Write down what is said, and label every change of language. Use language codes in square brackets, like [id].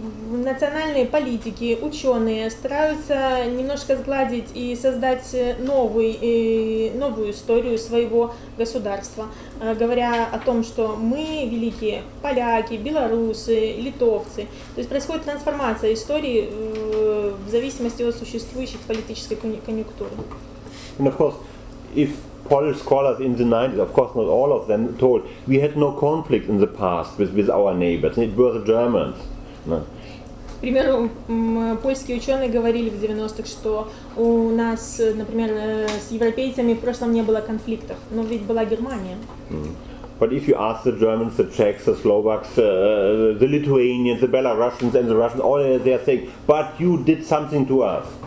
[ru] Национальные политики, ученые стараются немножко сгладить и создать новую историю своего государства, говоря о том, что мы великие поляки, белорусы, литовцы. То есть происходит трансформация истории в зависимости от существующей политической конъюнктуры. [en] And of course, if Polish scholars in the 90s, of course not all of them, told we had no conflict in the past with our neighbors, it was the Germans. No. [ru] К примеру, польские ученые говорили в 90-х, что у нас, например, с европейцами в прошлом не было конфликтов, но ведь была Германия. [en] But if you ask the Germans, the Czechs, the Slovaks, the Lithuanians, the Belarusians and the Russians, all they are saying, but you did something to us.